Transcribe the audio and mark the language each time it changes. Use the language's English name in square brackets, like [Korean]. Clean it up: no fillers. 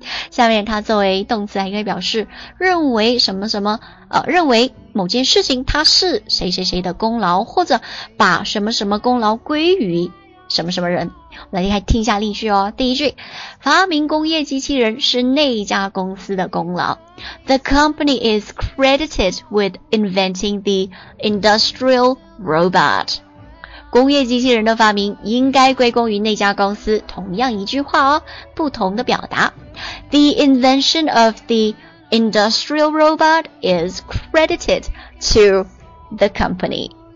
[Chinese] 下面它作为动词还可以表示认为什么什么，认为某件事情它是谁谁谁的功劳，或者把什么什么功劳归于什么什么人。我们来听一下例句哦。第一句，发明工业机器人是那一家公司的功劳。 [English] The company is credited with inventing the industrial robot. [Chinese] 工业机器人的发明应该归功于那家公司。同样一句话哦，不同的表达。 [English] The invention of the industrial robot is credited to the company.